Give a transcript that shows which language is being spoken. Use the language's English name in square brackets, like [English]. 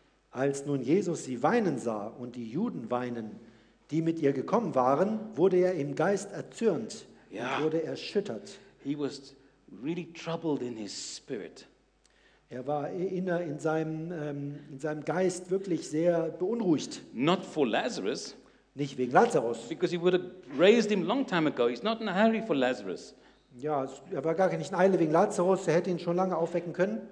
[German] Als nun Jesus sie weinen sah und die Juden weinen, die mit ihr gekommen waren, wurde er im Geist erzürnt und wurde erschüttert. [English] He was really troubled in his spirit. [German] Er war in seinem Geist wirklich sehr beunruhigt. [English] Not for Lazarus. [German] Nicht wegen Lazarus. [English] Because he would have raised him long time ago. He's not in a hurry for Lazarus. [German] Ja, er war gar nicht in Eile wegen Lazarus, er hätte ihn schon lange aufwecken können.